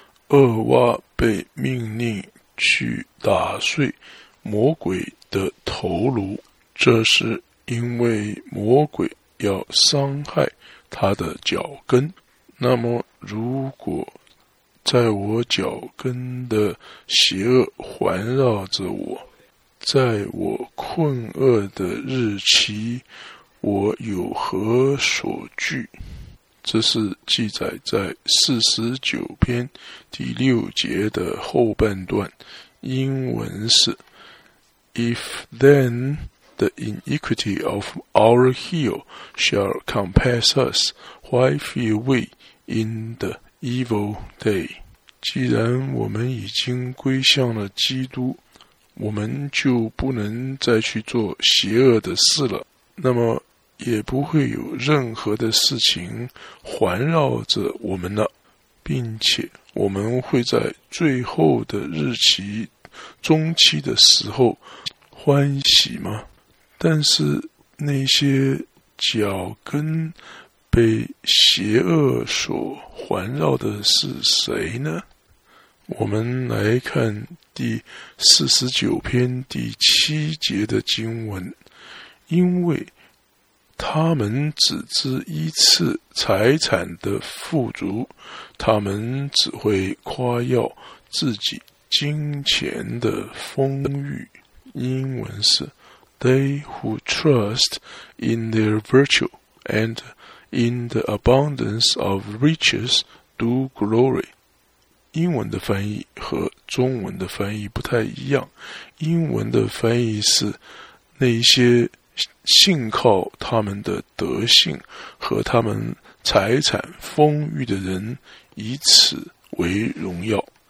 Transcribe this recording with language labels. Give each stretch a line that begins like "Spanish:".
Chinese: 厄娃被命令去打碎魔鬼的头颅，这是因为魔鬼要伤害他的脚跟。那么如果在我脚跟的邪恶环绕着我，在我困厄的日期，我有何所惧？这是记载在49篇第6节的后半段，英文是
English: If then the iniquity of our heel shall compass us, why fear we in the evil day?
Chinese: 既然我们已经归向了基督，我们就不能再去做邪恶的事了，那么也不会有任何的事情环绕着我们了，并且我们会在最后的日期中期的时候欢喜吗？但是那些脚跟被邪恶所环绕的是谁呢？我们来看第49篇第7节的经文，因为他们只知一次财产的富足，他们只会夸耀自己金钱的丰裕。英文是
English: They who trust in their virtue and in the abundance of riches do glory。
Chinese: 英文的翻译和中文的翻译不太一样，英文的翻译是那些信靠他们的德性和他们财产丰裕的人以此为荣耀。